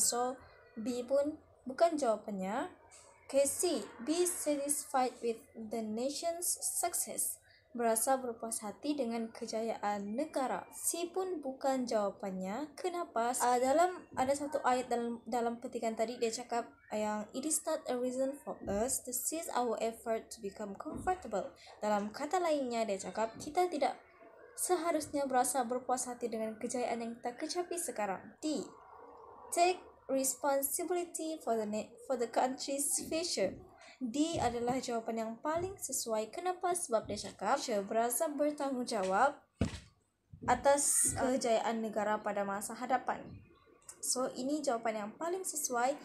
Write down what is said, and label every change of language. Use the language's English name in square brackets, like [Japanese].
[Malay] So, B pun bukan jawabannya. [English] Okay, C. Be satisfied with the nation's success. [Malay] Berasa berpuas hati dengan kejayaan negara. C pun bukan jawabannya. Kenapa? Dalam ada satu ayat dalam petikan tadi, dia cakap yang [English] it is not a reason for us to cease our effort to become comfortable. [Malay] Dalam kata lainnya, dia cakap kita tidak seharusnya berasa berpuas hati dengan kejayaan yang kita kecapi sekarang. [English] D. Take responsibility for the country's future. [Malay] D adalah jawaban yang paling sesuai. Kenapa? Sebab dia cakap berasa bertanggungjawab atas kejayaan negara pada masa hadapan. So, ini jawapan yang paling sesuai.